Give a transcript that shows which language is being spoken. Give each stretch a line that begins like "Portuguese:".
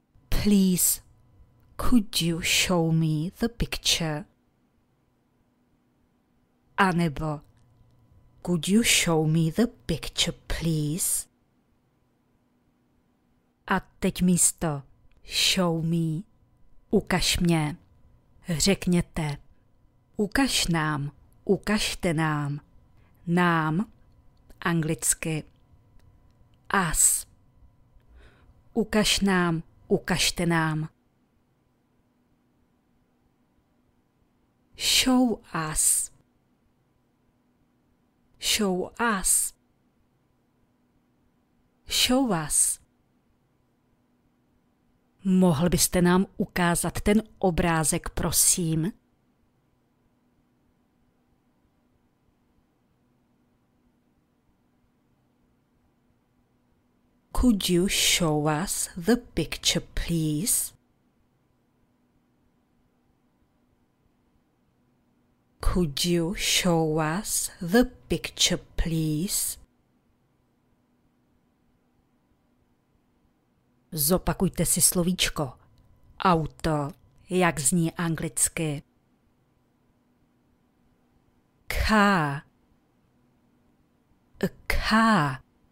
English: Please, could you show me the picture?
Czech: A nebo
English: could you show me the picture, please?
Czech: A teď místo
English: show me,
Czech: ukaž mě, řekněte, ukaž nám, ukažte nám, nám, anglicky, us, ukaž nám, ukažte nám.
English: Show us. Show us. Show us.
Czech: Mohl byste nám ukázat ten obrázek, prosím?
English: Could you show us the picture, please? Could you show us the picture, please?
Czech: Zopakujte si slovíčko auto, jak zní anglicky.
English: Car. A car.